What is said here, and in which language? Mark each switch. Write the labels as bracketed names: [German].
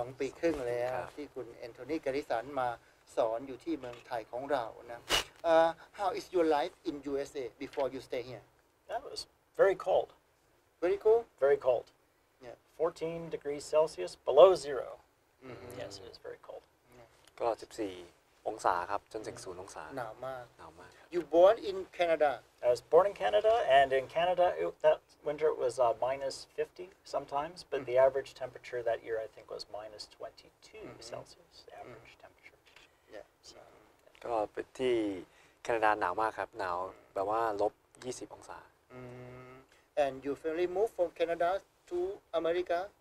[Thai] 2ปีครึ่งแล้วที่คุณแอนโทนีแกริสันมาสอนอยู่ที่เมืองไทยของเรานะ [English] how is your life in USA before you stay here that was very cold very cold very cold yeah 14 degrees celsius below 0 yes it is very cold [Thai] ก็14องศาครับจนถึง0องศา หนาวมาก หนาวมาก [English] you born in canada I was born in canada and in canada that winter was minus 50 sometimes but the average temperature that year I think was minus 22 celsius average temperature yeah [Thai] so ก็ไปที่แคนาดาหนาวมากครับหนาวแบบว่าลบ20องศา [English] and you finally moved from canada to america